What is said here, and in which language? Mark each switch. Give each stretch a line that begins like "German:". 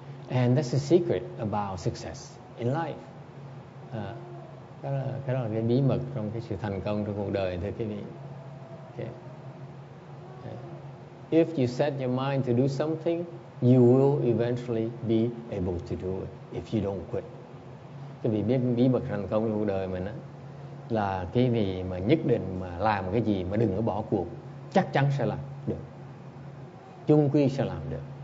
English: And that's the secret about success in life.
Vietnamese: Cái đó là cái bí mật trong cái sự thành công trong cuộc đời, thưa quý vị. Okay.
English: If you set your mind to do something, you will eventually be able to do it if you don't quit.
Vietnamese: Cái vị biết bí mật thành công trong cuộc đời mình á là cái vị mà nhất định mà làm cái gì mà đừng có bỏ cuộc, chắc chắn sẽ làm được. Chung quy sẽ làm được.